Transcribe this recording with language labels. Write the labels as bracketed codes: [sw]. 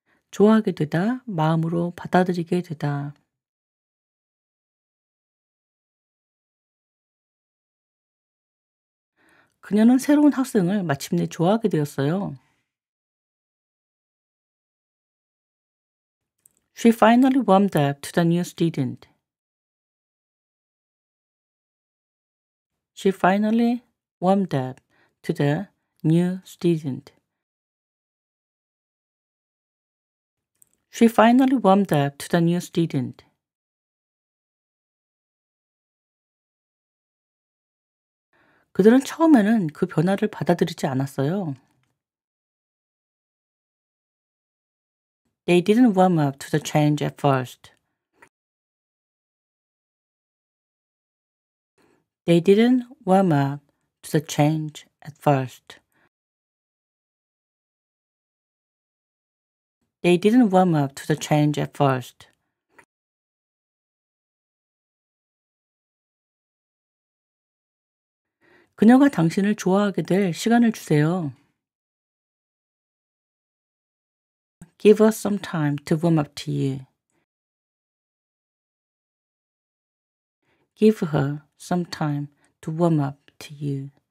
[ko] 좋아하게 되다, 마음으로 받아들이게 되다. 그녀는 새로운 학생을 마침내 좋아하게 되었어요. [en] She finally warmed up to the new student. She finally warmed up to the new student. She finally warmed up to the new student. [ko] 그들은 처음에는 그 변화를 받아들이지 않았어요. [en] They didn't warm up to the change at first. They didn't warm up to the change at first. They didn't warm up to the change at first. [ko] 그녀가 당신을 좋아하게 될 시간을 주세요. [en] Give us some time to warm up to you. Give her some time to warm up to you.